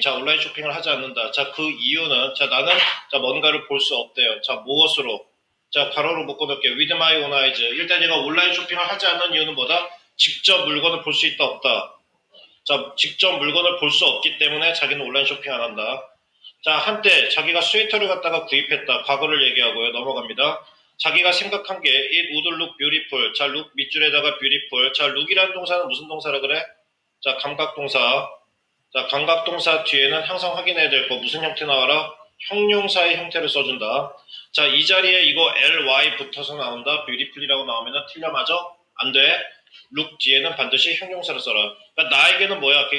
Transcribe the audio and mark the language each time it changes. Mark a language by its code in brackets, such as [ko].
[ko] 자, 온라인 쇼핑을 하지 않는다. 자, 그 이유는? 자, 나는 자 뭔가를 볼 수 없대요. 자, 무엇으로? 자, 괄호로 묶어놓을게요. [en] With my own eyes. [ko] 일단 얘가 온라인 쇼핑을 하지 않는 이유는 뭐다? 직접 물건을 볼 수 있다, 없다. 자, 직접 물건을 볼 수 없기 때문에 자기는 온라인 쇼핑 안 한다. 자, 한때 자기가 스웨터를 갖다가 구입했다. 과거를 얘기하고요. 넘어갑니다. 자기가 생각한 게 [en] it would look beautiful. [ko] 자, look 밑줄에다가 beautiful. 자, look이라는 동사는 무슨 동사라 그래? 자, 감각동사. 자, 감각동사 뒤에는 항상 확인해야 될 거. 무슨 형태 나와라? 형용사의 형태를 써준다. 자, 이 자리에 이거 ly 붙어서 나온다. beautiful이라고 나오면 틀려 맞아? 안 돼. look 뒤에는 반드시 형용사를 써라. 그러니까 나에게는 뭐야?